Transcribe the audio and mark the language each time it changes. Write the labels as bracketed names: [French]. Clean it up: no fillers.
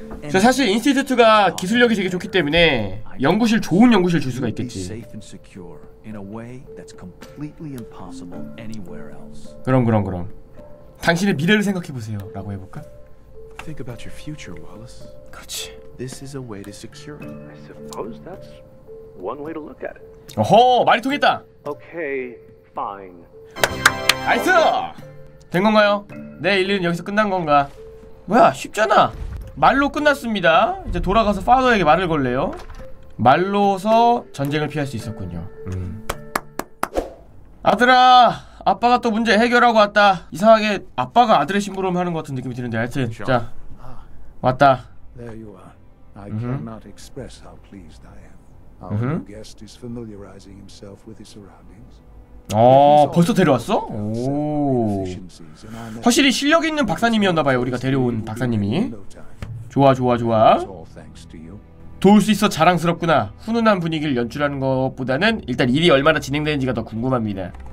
[Korean] 저 사실 인스티튜트가 기술력이 되게 좋기 때문에 연구실 좋은 연구실 줄 수가 있겠지. [English] Safe and secure in a way that's completely impossible anywhere else. [Korean] 그럼. 당신의 미래를 생각해 보세요라고 해 볼까? [English] Think about your future, Wallace. [Korean] 그렇지. [English] This is a way to secure it. I suppose that's one way to look at it. [Korean] 어허, 말이 통했다. [English] Okay. Fine. [Korean] 나이스! 된 건가요? 내 일은 여기서 끝난 건가? 뭐야, 쉽잖아. 말로 끝났습니다. 이제 돌아가서 파더에게 말을 걸래요. 말로서 전쟁을 피할 수 있었군요. 아들아, 아빠가 또 문제 해결하고 왔다. 이상하게 아빠가 아들의 심부름 하는 것 같은 느낌이 드는데, 하여튼 Sean. 자 왔다. [English] There you are. I cannot express how pleased I am. Our new guest is familiarizing himself with his surroundings. [Korean] 어, 벌써 데려왔어? 오. 확실히 실력 있는 박사님이었나 봐요. 우리가 데려온 박사님이. 좋아, 좋아, 좋아. 도울 수 있어 자랑스럽구나. 훈훈한 분위기를 연출하는 것보다는 일단 일이 얼마나 진행되는지가 더 궁금합니다.